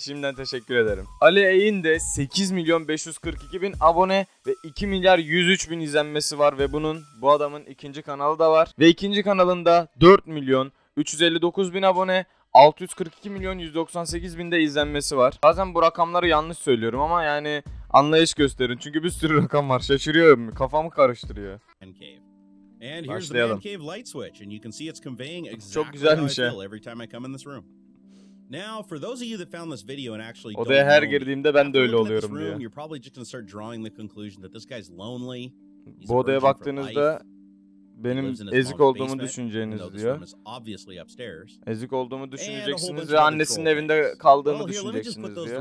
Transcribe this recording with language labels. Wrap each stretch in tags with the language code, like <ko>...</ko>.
<tr>Şimdiden teşekkür ederim. Ali Ey'in de 8.542.000 abone ve 2.103.000 izlenmesi var ve bunun bu adamın ikinci kanalı da var. Ve ikinci kanalında 4.359.000 abone, 642.198.000 de izlenmesi var. Bazen bu rakamları yanlış söylüyorum ama yani anlayış gösterin çünkü bir sürü rakam var. Şaşırıyorum, kafamı karıştırıyor.</tr> <en>And here's the man cave light switch and you can see it's conveying exactly how I feel every time I come in this room. Now, for those of you that found this video and actually don't know,</en> <tr>her girdiğimde ben de öyle oluyorum diyor.</tr> <en>You're probably just going to start drawing the conclusion that this guy's lonely.</en> <tr>Bu odaya baktığınızda benim ezik olduğumu düşüneceğiniz diyor. Ezik olduğumu düşüneceksiniz ve annesinin evinde kaldığını düşüneceksiniz diyor.</tr>